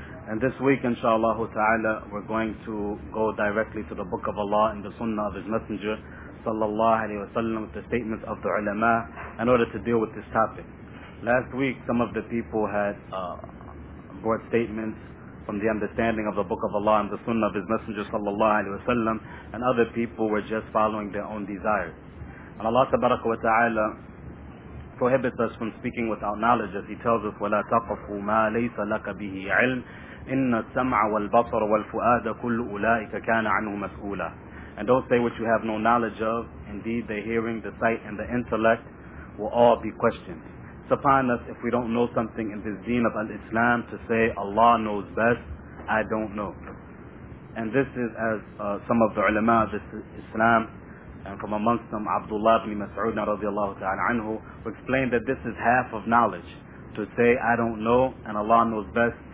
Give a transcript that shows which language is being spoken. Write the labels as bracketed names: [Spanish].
[English] And this week, inshallah ta'ala, we're going to go directly to the Book of Allah and the Sunnah of His Messenger sallallahu alayhi wa sallam, with the statements of the ulama, in order to deal with this topic. Last week, some of the people had brought statements from the understanding of the Book of Allah and the Sunnah of His Messenger sallallahu alayhi wa sallam, and other people were just following their own desires. And Allah tabaraka wa ta'ala prohibits us from speaking without knowledge, as He tells us, [Arabic] وَلَا تَقَفُوا مَا لَيْسَ لَكَ بِهِ عِلْمٍ إِنَّ السَّمْعَ وَالْبَصَرَ وَالْفُؤَادَ كُلُّ أُولَٰئِكَ كَانَ عَنْهُ مَسْئُولًا. [English] And don't say what you have no knowledge of. Indeed, the hearing, the sight, and the intellect will all be questioned. It's upon us if we don't know something in this deen of al-Islam to say, Allah knows best, I don't know. And this is as some of the ulama of Islam, and from amongst them, Abdullah ibn Mas'ud radiallahu ta'ala anhu, who explained that this is half of knowledge, to say, I don't know, and Allah knows best.